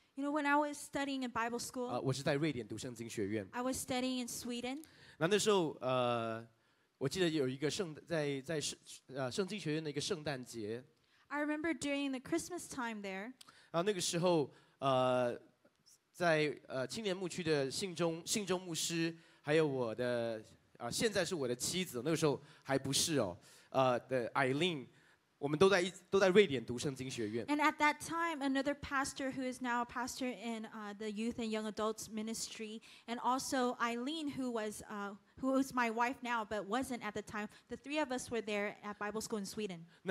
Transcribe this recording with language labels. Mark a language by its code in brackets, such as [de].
[en] you know, when I was studying in Bible school, [zh] 我是在瑞典读圣经学院。 [en] I was studying in Sweden. [zh] 那时候, 我记得有一个圣经学院的一个圣诞节。 [en] I remember during the Christmas time there. [zh] 然后那个时候, 在青年牧区的信中牧师, 还有我的, 现在是我的妻子, 那个时候还不是哦, 的 Eileen, 我们都在瑞典读圣经学院。 [en] And at that time, another pastor who is now a pastor in the youth and young adults ministry, and also Eileen, who was who is my wife now but wasn't at the time, the three of us were there at Bible school in Sweden.